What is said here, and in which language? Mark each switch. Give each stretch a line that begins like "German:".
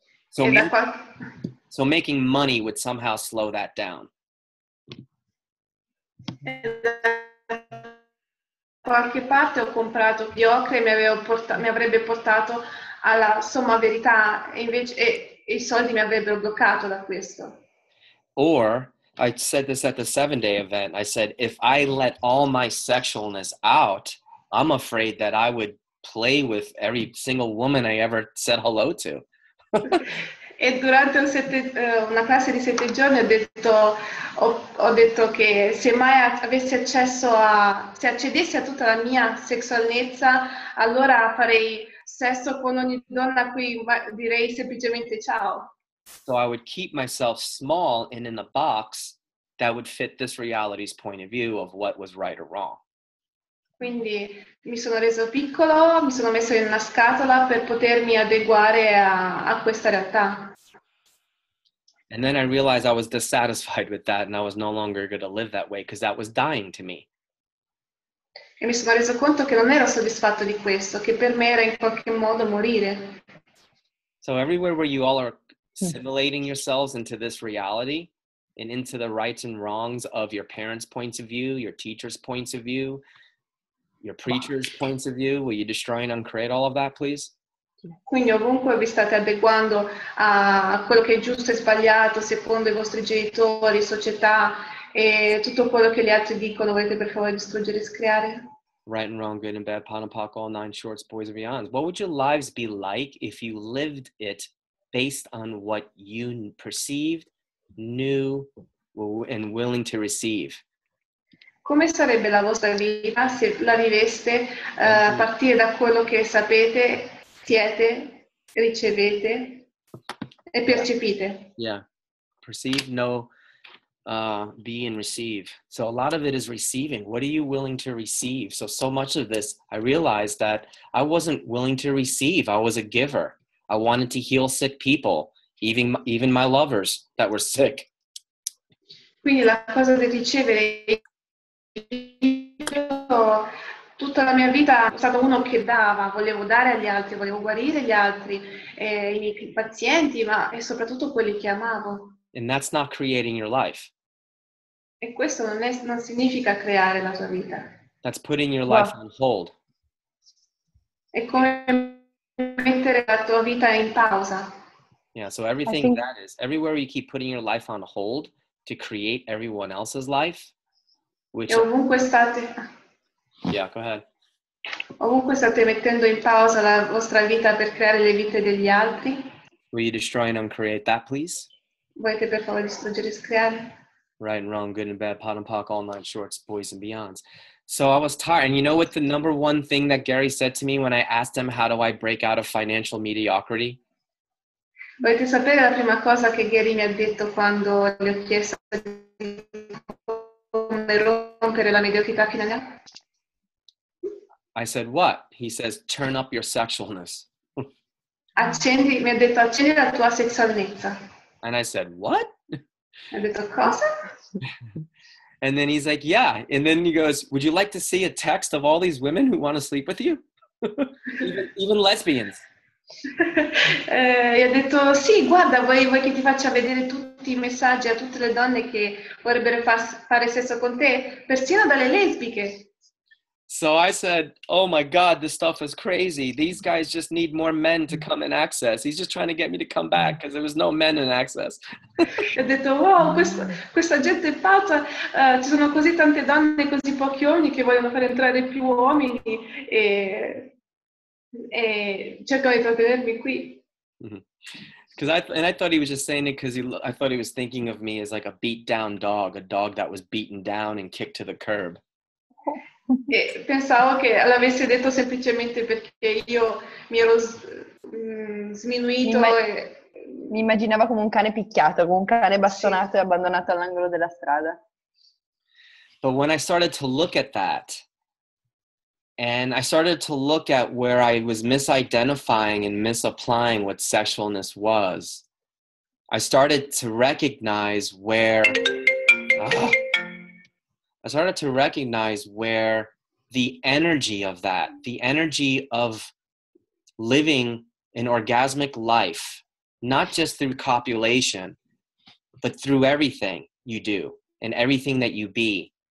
English: So making money would somehow slow that down.
Italian: Qualche parte ho comprato mediocre mi avrebbe portato alla somma verità, invece i soldi mi avrebbero bloccato da questo.
English: Or, I said this at the 7-day event, I said, if I let all my sexualness out, I'm afraid that I would play with every single woman I ever said hello to.
Italian: E durante una classe di 7 giorni ho detto che se mai avessi accesso a, se accedessi a tutta la mia sessualnezza, allora farei sesso con ogni donna qui, direi semplicemente ciao.
English: So I would keep myself small and in the box that would fit this reality's point of view of what was right or wrong.
Italian: Quindi mi sono reso piccolo, mi sono messo in una scatola per potermi adeguare a questa realtà.
English: And then I realized I was dissatisfied with that and I was no longer going to live that way because that was dying to me.
Italian: E mi sono reso conto che non ero soddisfatto di questo, che per me era in qualche modo morire.
English: So everywhere where you all are assimilating yourselves into this reality and into the rights and wrongs of your parents' points of view, your teachers' points of view, your preachers' points of view, will you destroy and uncreate all of that, please?
Italian: Quindi ovunque vi state adeguando a quello che è giusto e sbagliato secondo i vostri genitori, società e tutto quello che gli altri dicono, volete per favore distruggere e screare?
English: Right and wrong, good and bad, pot and pock, all nine shorts, boys and beyonds. What would your lives be like if you lived it based on what you perceived, knew, and willing to receive?
Italian: Come sarebbe la vostra vita se la viveste a partire da quello che sapete, siete, ricevete e percepite?
English: Yeah, perceive, know, be and receive. So a lot of it is receiving. What are you willing to receive? So much of this, I realized that I wasn't willing to receive. I was a giver. I wanted to heal sick people, even my lovers that were sick.
Italian: Quindi la cosa di ricevere, io tutta la mia vita sono stato uno che dava, volevo dare agli altri, volevo guarire gli altri, i miei pazienti, ma e soprattutto quelli che amavo.
English: And that's not creating your life.
Italian: E questo non significa creare la tua vita.
English: That's putting your life on hold.
Italian: È come mettere la tua vita in pausa.
English: Yeah, so everything that is, everywhere you keep putting your life on hold to create everyone else's life, which...
Italian: E ovunque state...
English: Yeah, go ahead.
Italian: Ovunque state mettendo in pausa la vostra vita per creare le vite degli altri.
English: Will you destroy and uncreate that, please?
Italian: Volete per favore distruggere e screare?
English: Right and wrong, good and bad, pot and pock, all nine shorts, boys and beyonds. So I was tired. And you know what the number one thing that Gary said to me when I asked him, how do I break out of financial mediocrity?
Italian: Volete sapere la prima cosa che Gary mi ha detto quando gli ho chiesto di rompere la mediocrità finanziaria?
English: I said, what? He says, turn up your sexualness.
Italian: Accendi, mi ha detto, accendi la tua sexualità.
English: And I said, what?
Italian: Ha detto, cosa?
English: And then he's like, yeah. And then he goes, would you like to see a text of all these women who want to sleep with you? even lesbians.
Italian: E ha detto, sì, guarda, vuoi che ti faccia vedere tutti i messaggi a tutte le donne che vorrebbero fare sesso con te, persino dalle lesbiche.
English: So I said, oh my God, this stuff is crazy. These guys just need more men to come in access. He's just trying to get me to come back because there was no men in access.
Italian: Ho detto, wow, questa gente è pazza. Ci sono così tante donne, così pochi uomini che vogliono far entrare più uomini e cercano di trattenermi qui.
English: Because I thought he was just saying it because I thought he was thinking of me as like a beat down dog, a dog that was beaten down and kicked to the curb.
Italian: E pensavo che l'avesse detto semplicemente perché io mi ero sminuito. Mi immaginava come un cane picchiato, come un cane bastonato, sì, e abbandonato all'angolo della strada.
English: But when I started to look at that, and I started to look at where I was misidentifying and misapplying what sexualness was, I started to recognize where... I started to recognize where the energy of that, the energy of living an orgasmic life, not just through copulation, but through everything you do and everything that you be.